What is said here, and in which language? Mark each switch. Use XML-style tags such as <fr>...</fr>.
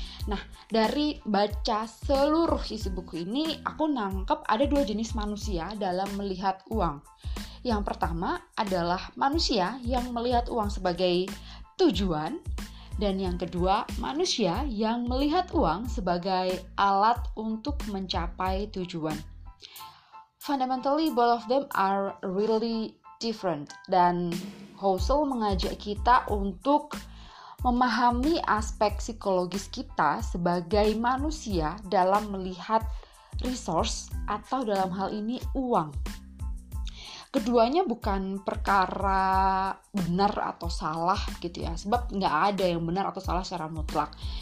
<id>Nah, dari baca seluruh isi buku ini, aku nangkep ada dua jenis manusia dalam melihat uang. Yang pertama adalah manusia yang melihat uang sebagai tujuan, dan yang kedua, manusia yang melihat uang sebagai alat untuk mencapai tujuan.</id> <en>Fundamentally, both of them are really different.</en> <id>Dan Housel mengajak kita untuk memahami aspek psikologis kita sebagai manusia dalam melihat resource atau dalam hal ini uang. Keduanya bukan perkara benar atau salah gitu ya, sebab nggak ada yang benar atau salah secara mutlak.</id>